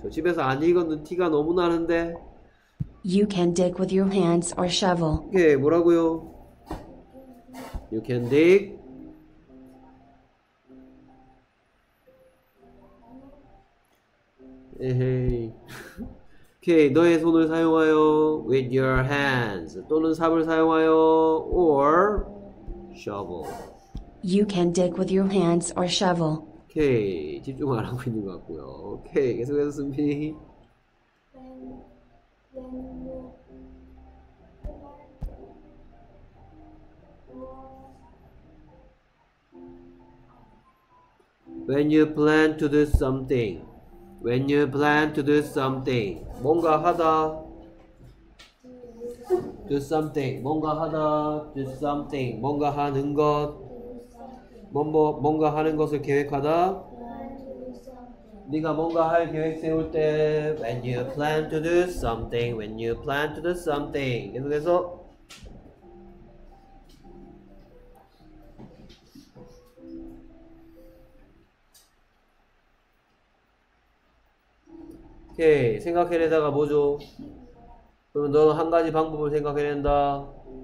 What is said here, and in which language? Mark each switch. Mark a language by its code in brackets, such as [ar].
[ko] 저 집에서 안 읽었는 티가 너무 나는데. [en] You can dig with your hands or shovel. [ko] 오케이, 뭐라고요? [en] You can dig. [ko] 에헤이. 오케이, 너의 손을 사용하여 [en] with your hands [ko] 또는 삽을 사용하여 [en] or shovel. You can dig with your hands or shovel. [ko] 오케이, 집중 안 하고 있는 것 같고요. 오케이, 계속해서 승빈이. [en] When you plan to do something, [ko] 뭔가 하다, [en] do something, [ko] 뭔가 하다, do something, 뭔가 하는 것, 뭔가 하는 것을 계획하다. [en] When you plan to do something, when you plan to do something, when you plan to do something. [ko] 계속해서 오케이, 생각해내다가 뭐죠? 그러면 너는 한 가지 방법을 생각해낸다.